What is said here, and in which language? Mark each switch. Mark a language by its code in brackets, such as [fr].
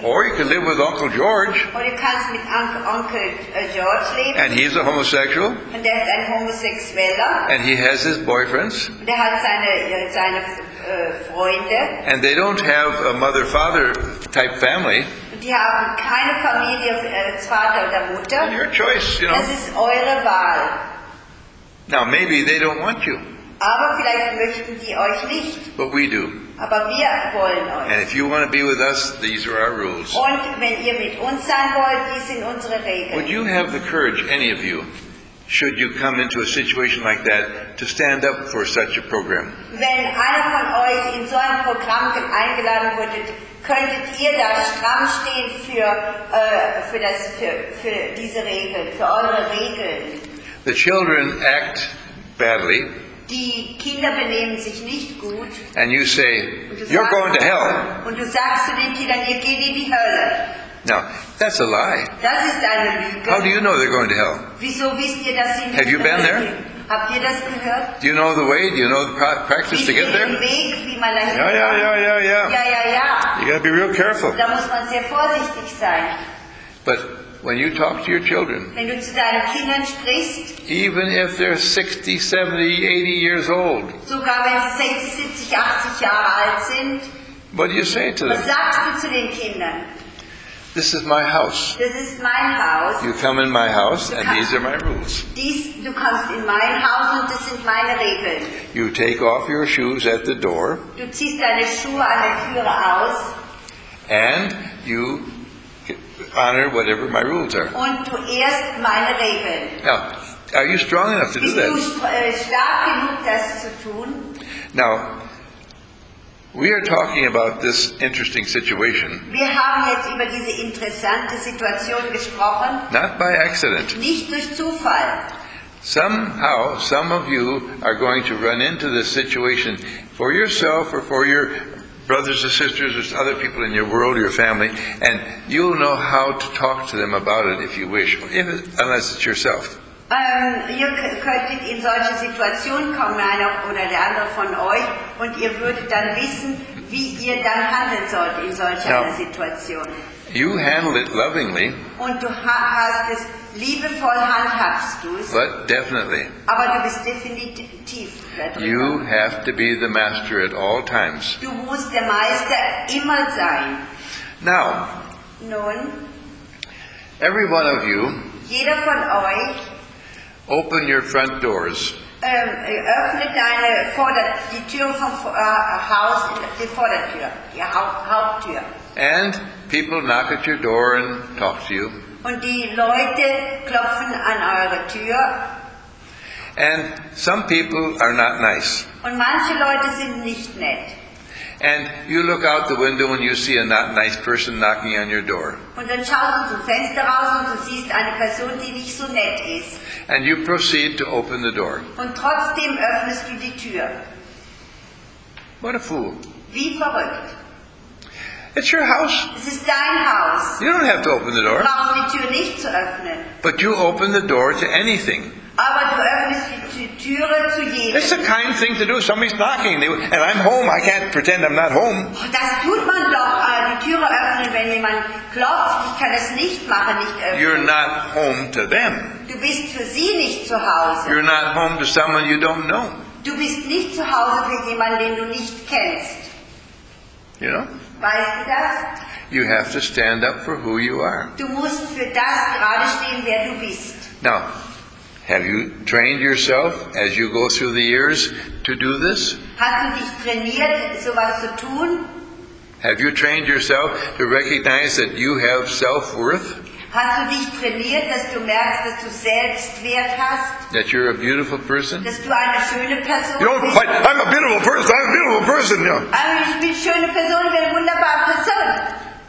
[en] Or you could live with Uncle George. [de] Oder du kannst mit Onkel George leben. [en] And he's a homosexual. [de] Und er ist ein Homosexueller. [en] And he has his boyfriends. [de] Und er hat seine Freunde. [en] And they don't have a mother-father type family. [de] Die haben keine Familie als Vater oder Mutter. [en] And your choice, you know. [de] Das ist eure Wahl. [en] Now maybe they don't want you. [de] Aber vielleicht möchten die euch nicht. [en] But we do. [de] Aber wir wollen euch. [en] And if you want to be with us, these are our rules. [de] Und wenn ihr mit uns sein wollt, dies sind unsere Regeln. [en] Would you have the courage, any of you, should you come into a situation like that, to stand up for such a program? [de] Wenn einer von euch in so ein Programm eingeladen wurde, könntet ihr da stramm stehen für diese Regeln, für eure Regeln? [en] The children act badly. [de] Die Kinder benehmen sich nicht gut. [en] And you say, you're going to hell. [de] Und du sagst zu den Kindern, ihr geht in die Hölle. [en] Now, that's a lie. [de] Das ist eine Lüge. [en] How do you know they're going to hell? [de] Wieso wisst ihr, dass sie nicht [en] have you been there? [de] Habt ihr das gehört? [en] Do you know the way? Do you know the practice [de] wisst [en] to get there? [de] Weg, wie man dahin ja, ja, ja, ja, ja. Ja, ja, ja. [en] You got to be real careful. [de] Da muss man sehr vorsichtig sein. [en] But when you talk to your children, [de] wenn du zu deinen Kindern sprichst, [en] even if they're 60, 70, 80 years old, [de] sogar wenn sie 60, 70, 80 Jahre alt sind, [en] what do you say to them? [de] Was sagst du zu den Kindern? [en] This is my house. This is [de] mein Haus. [en] You come in my house and these are my rules. [de] Du kommst in mein Haus und das sind meine Regeln. [en] You take off your shoes at the door. [de] Du ziehst deine Schuhe an der Tür aus. [en] And you honor whatever my rules are. [de] Und du ehrst meine Regeln. [en] Now, are you strong enough to do that? [de] Bist du stark genug, das zu tun? [en] Now, we are talking about this interesting situation. [de] Wir haben jetzt über diese interessante Situation gesprochen. [en] Not by accident. [de] Nicht durch Zufall. [en] Somehow, some of you are going to run into this situation for yourself or for your brothers and sisters or other people in your world, your family, and you'll know how to talk to them about it if you wish, unless it's yourself. [de] Ihr könntet in solche Situationen kommen, einer oder der andere von euch, und ihr würdet dann wissen, wie ihr dann handeln sollt in solcher Situation. [en] You handle it lovingly. [de] Und du hast es liebevoll handhabst du es. [en] But definitely. [de] Aber du bist definitiv darüber. [en] You have to be the master at all times. [de] Du musst der Meister immer sein. [en] Now. [de] Nun. [en] Every one of you. [de] Jeder von euch. [en] Open your front doors. [de] Öffne deine die Tür vom Haus, die Vordertür, die Haupttür. [en] And people knock at your door and talk to you. [de] Und die Leute klopfen an eure Tür. [en] And some people are not nice. [de] Und manche Leute sind nicht nett. [en] And you look out the window and you see a not nice person knocking on your door. [de] Und dann schaust du zum Fenster raus und du siehst eine Person, die nicht so nett ist. [en] And you proceed to open the door. [de] Und trotzdem öffnest du die Tür. [en] What a fool. [de] Wie verrückt. [en] It's your house. [de] Es ist dein Haus. [en] You don't have to open the door. [de] Du brauchst die Tür nicht zu öffnen. [en] But you open the door to anything. [de] Aber du öffnest die Tür zu jedem. [en] It's a kind thing to do. Somebody's knocking. And I'm home. I can't pretend I'm not home. [de] Das tut man doch. Die Tür öffnen, wenn jemand klopft. Ich kann es nicht machen, nicht öffnen. [en] You're not home to them. [de] Du bist für sie nicht zu Hause. [en] You're not home to someone you don't know. [de] Du bist nicht zu Hause für jemanden, den du nicht kennst. [en] You know? [de] Weißt du das? [en] You have to stand up for who you are. [de] Du musst für das gerade stehen, wer du bist. [en] Now, have you trained yourself as you go through the years to do this? [de] Hast du dich trainiert, sowas zu tun? [en] Have you trained yourself to recognize that you have self-worth? [de] Hast du dich trainiert, dass du merkst, dass du Selbstwert hast? [en] That you're a beautiful person? [de] Dass du eine schöne Person [en] you don't [de] bist? [en] Fight. I'm a beautiful person. I'm a beautiful person. Yeah. [de] Ich bin eine schöne Person. Ich bin eine wunderbare Person.